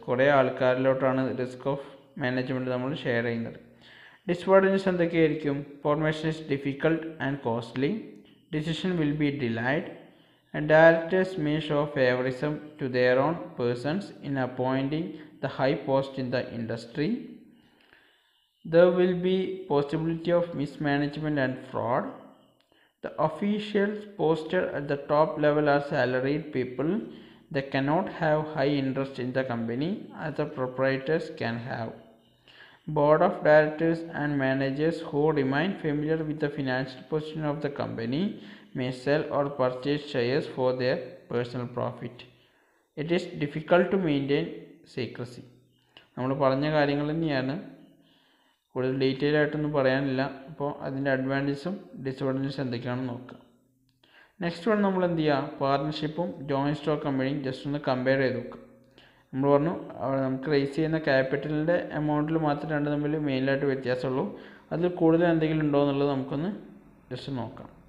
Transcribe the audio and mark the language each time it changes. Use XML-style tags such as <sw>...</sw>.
<ml>കുറേ ആൾക്കാരിലോട്ടാണ് risk of management നമ്മൾ share ചെയ്യുന്നത്.</ml> <en>Disadvantages എന്തൊക്കെയായിരിക്കും, formation is difficult and costly, decision will be delayed and directors may show favouritism to their own persons in appointing the high post in the industry. There will be possibility of mismanagement and fraud. The officials posted at the top level are salaried people. They cannot have high interest in the company as the proprietors can have. Board of directors and managers who remain familiar with the financial position of the company may sell or purchase shares for their personal profit. It is difficult to maintain secrecy.</en> <ml>നമ്മൾ പറഞ്ഞ കാര്യങ്ങൾ തന്നെയാണ്, കൂടുതൽ detail ആയിട്ടൊന്നും പറയാനില്ല. അപ്പോൾ അതിൻ്റെ അഡ്വാൻറ്റേജസും ഡിസ്അഡ്വാൻറ്റേജസും എന്തൊക്കെയാണെന്ന് നോക്കുക. നെക്സ്റ്റ് വൺ നമ്മൾ എന്ത് ചെയ്യുക, പാർട്ണർഷിപ്പും ജോയിൻ്റ് സ്റ്റോക്ക് കമ്പനിയും ജസ്റ്റ് ഒന്ന് കമ്പയർ ചെയ്ത് നോക്കുക. നമ്മൾ പറഞ്ഞു അവിടെ നമുക്ക് റേസ് ചെയ്യുന്ന ക്യാപിറ്റലിൻ്റെ എമൗണ്ടിൽ മാത്രം രണ്ട് തമ്മിൽ മെയിനായിട്ട് വ്യത്യാസമുള്ളൂ, അതിൽ കൂടുതൽ എന്തെങ്കിലും ഉണ്ടോ എന്നുള്ളത് നമുക്കൊന്ന് ജസ്റ്റ് നോക്കാം.</ml>